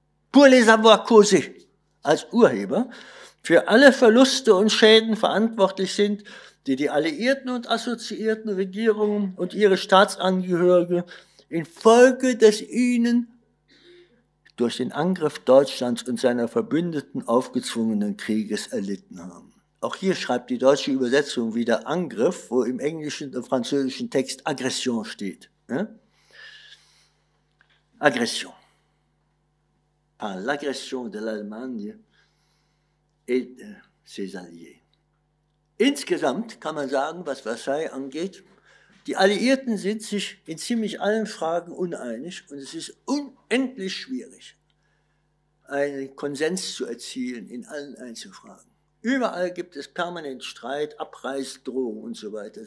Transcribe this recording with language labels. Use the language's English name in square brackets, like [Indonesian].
[French] pour les avoir causé, [German] als Urheber, für alle Verluste und Schäden verantwortlich sind, die die Alliierten und assoziierten Regierungen und ihre Staatsangehörige infolge des ihnen durch den Angriff Deutschlands und seiner Verbündeten aufgezwungenen Krieges erlitten haben. Auch hier schreibt die deutsche Übersetzung wieder Angriff, wo im englischen und französischen Text Aggression steht. Aggression. [French] Par l'agression de l'Allemagne et ses alliés. [German] Insgesamt kann man sagen, was Versailles angeht, die Alliierten sind sich in ziemlich allen Fragen uneinig und es ist unendlich schwierig, einen Konsens zu erzielen in allen Einzelfragen. Überall gibt es permanent Streit, Abreißdrohungen und so weiter.